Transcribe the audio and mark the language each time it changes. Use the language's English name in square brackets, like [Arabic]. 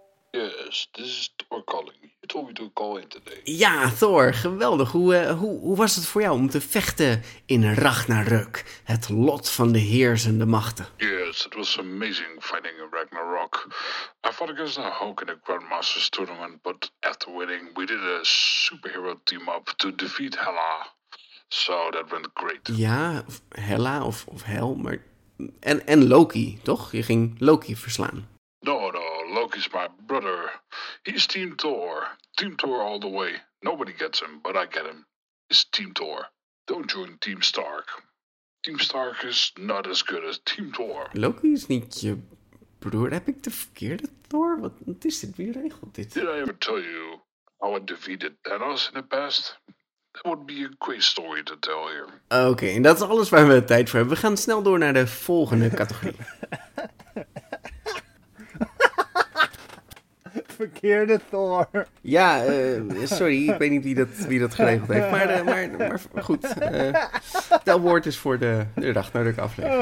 [English] Yes, this is Thor calling. You told me to call in today. [Dutch] Ja, Thor, geweldig. Hoe was het voor jou om te vechten in Ragnarök? Het lot van de heersende machten. [English] Yes, it was amazing fighting in Ragnarok. I fought against a Hulk in a Grandmasters tournament, but after winning, we did a superhero team-up to defeat Hela. So that went great. Ja, Hela of Hel, maar... En Loki, toch? Je ging Loki verslaan. No. Loki's my brother. He's Team Thor. Team Thor all the way. Nobody gets him, but I get him. It's Team Thor. Don't join Team Stark. Team Stark is not as good as Team Thor. [Dutch] Loki is niet je broer. Heb ik de verkeerde Thor? Wat is dit? Wie regelt dit? [English] Did I ever tell you how I defeated Thanos in the past? That would be a great story to tell here. [Dutch] Okay, en dat is alles waar we de tijd voor hebben. We gaan snel door naar de volgende categorie. Verkeerde Thor. Ja, sorry, ik weet niet wie dat geregeld heeft. Maar goed, dat woord is voor de Ragnarök aflevering.